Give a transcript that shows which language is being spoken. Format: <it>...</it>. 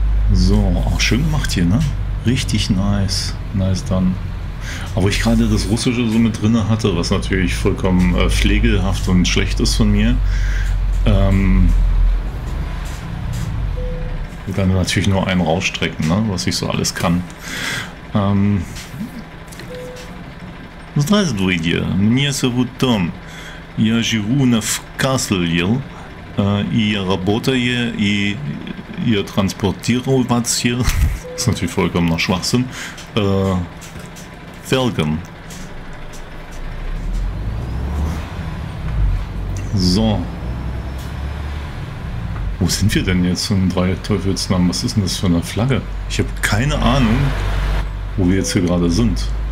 <de>So, auch schön gemacht hier, ne? Richtig nice. Nice dann. Aber ich gerade das Russische so mit drinne hatte, was natürlich vollkommen pflegelhaft und schlecht ist von mir. Dann natürlich nur einen rausstrecken, ne? Was ich so alles kann.</de> <ru>Здравствуйте, меня зовут Том. Я живу на Кастелье. Я работаю и я транспортирую вас</ru> <de>hier. Das ist natürlich vollkommener Schwachsinn. Фелген. So. Wo sind wir denn jetzt in drei Teufelsnamen? Was ist denn das für eine Flagge? Ich habe keine Ahnung, wo wir jetzt hier gerade sind.</de>